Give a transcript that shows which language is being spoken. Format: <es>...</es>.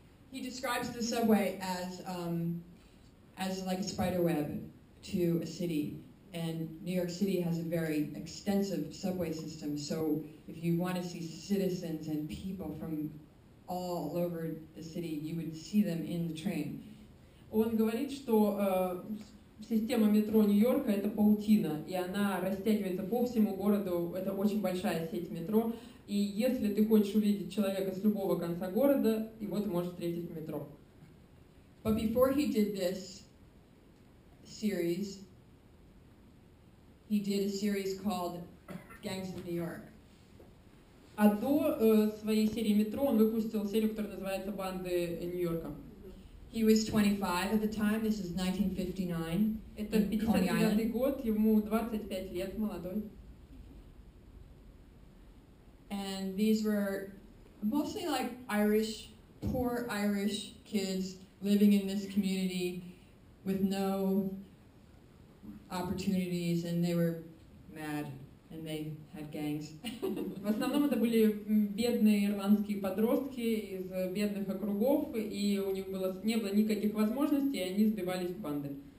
<en>He describes the subway as like a spider web to a city, and New York City has a very extensive subway system, so if you want to see citizens and people from all over the city, you would see them in the train.</en> <ru>Он говорит, что система метро Нью-Йорка — это паутина, и она растягивается по всему городу, это очень большая сеть метро. И если ты хочешь увидеть человека с любого конца города, его ты можешь встретить в метро.</ru> <en>But before he did this series, he did a series called Gangs of New York.</en> <ru>А до своей серии «Метро» он выпустил серию, которая называется «Банды Нью-Йорка».</ru> <en>He was 25 at the time, this is 1959.</en> <ru>Это 59-й год, ему 25 лет, молодой.</ru> <en>And these were mostly like Irish, poor Irish kids living in this community with no opportunities, and they were mad, and they had gangs.</en> <ru>В основном это были бедные ирландские подростки из бедных округов, и у них было не было никаких возможностей, и они сбивались в банды.</ru>